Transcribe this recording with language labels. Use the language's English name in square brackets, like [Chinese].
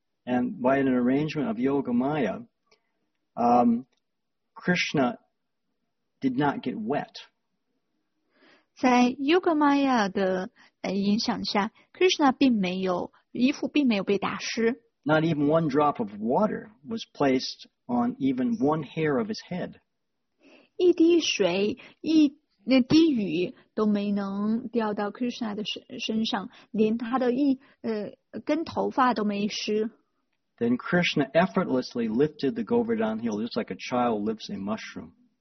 [English] And by an arrangement of Yoga Maya, Krishna did not get wet. [Chinese] 在 Yoga Maya 的影响下 ，Krishna 并没有衣服并没有被打湿。 [English] Not even one drop of water was placed on even one hair of his head. [Chinese] 一滴水，那滴雨都没能掉到 Krishna 的身上，连他的根头发都没湿。 [English] Then Krishna effortlessly lifted the Govardhan Hill, just like a child lifts a mushroom.